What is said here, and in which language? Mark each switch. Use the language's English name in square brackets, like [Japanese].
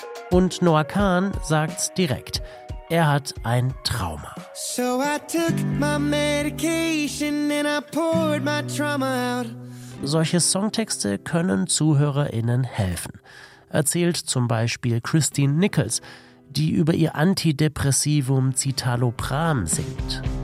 [German] Und Noah Kahan sagt direkt, er hat ein Trauma. [English] So I took my medication and I poured my trauma out. [German] Solche Songtexte können ZuhörerInnen helfen, erzählt zum Beispiel Christine Nichols, die über ihr Antidepressivum Citalopram singt.